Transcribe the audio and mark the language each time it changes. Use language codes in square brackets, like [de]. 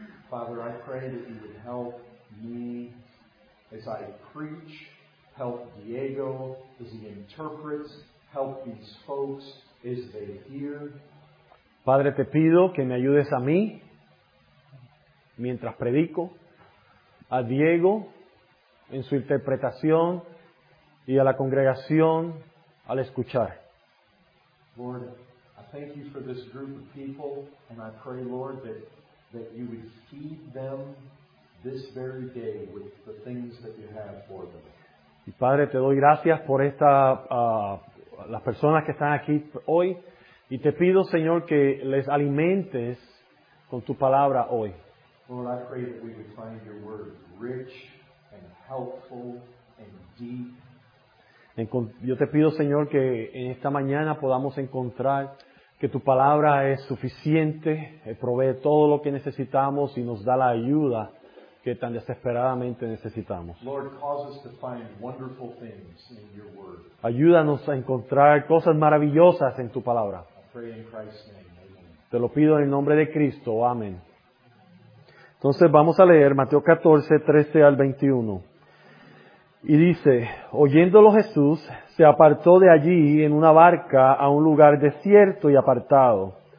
[en] Father, I pray that you would help me as I preach, help Diego as he interprets, help these folks as they hear. [es] Padre, te pido que me ayudes a mí mientras predico, a Diego en su interpretación y a la congregación al escuchar. [en] Lord, I thank you for this group of people and I pray, Lord, that you would feed them this very day with the things that you have for them. [es] Y Padre, te doy gracias por esta las personas que están aquí hoy y te pido, Señor, que les alimentes con tu palabra hoy. [en] Lord, I pray that we would find your word rich, helpful and deep. [es] Yo te pido, Señor, que en esta mañana podamos encontrar que tu palabra es suficiente, provee todo lo que necesitamos y nos da la ayuda que tan desesperadamente necesitamos. [en] Lord, cause us to find wonderful things in your word. [es] Ayúdanos a encontrar cosas maravillosas en tu palabra. [en] I pray in Christ's name. Amen. [es] Te lo pido en el nombre de Cristo. Amén. Entonces vamos a leer Mateo 14, 13-21. Y dice, oyéndolo Jesús, se apartó de allí en una barca a un lugar desierto y apartado.